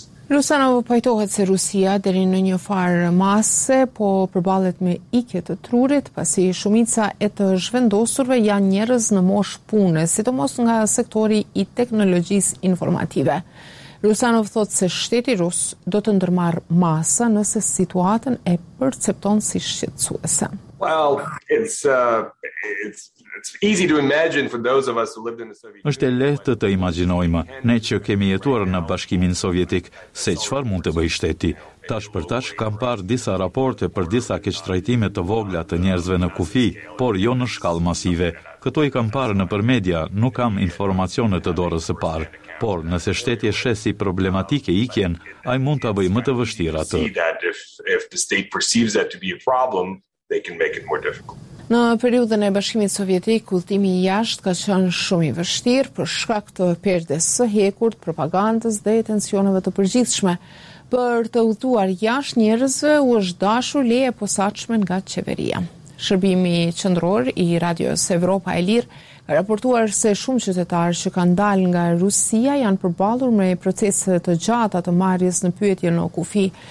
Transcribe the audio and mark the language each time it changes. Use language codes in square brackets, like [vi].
[sq] Rusanov pajtohet se Rusia deri në një farë mase, po përballet me ikje të trurit, pasi shumica e të zhvendosurve janë njerëz në mosh pune, sidomos nga sektori i teknologjisë informative. Rusanov thot se shteti rus do të ndërmarë masa nëse situatën e percepton si shqetësuese. [en] Well, it's easy to imagine for those of us who lived in the Soviet Union. [sq] Është lehtë të imagjinojmë ne që kemi jetuar në Bashkimin Sovjetik se çfarë mund të bëjë shteti. Tash për tash kam parë disa raporte për disa keqtrajtime të vogla të njerëzve në kufi, por jo në shkallë masive. Këto i kam parë nëpër media, nuk kam informacione të dorës së parë, por nëse shteti e sheh si problematike ikjen, ai mund ta bëjë më të vështirë atë. [en] If the state perceives that to be a problem, they can make it more difficult. [sq] Në periudhën e Bashkimit Sovjetik, udhëtimi i jashtë ka qenë shumë i vështirë për shkak të perdes së hekurt, propagandës dhe tensioneve të përgjithshme. Për të udhëtuar jashtë, njerëzve u është dashur leje posaçme nga qeveria. Shërbimi qendror i Radios Evropa e Lirë ka raportuar se shumë qytetarë që kanë dalë nga Rusia janë përballur me procese të gjata të marrjes në pyetje në kufi.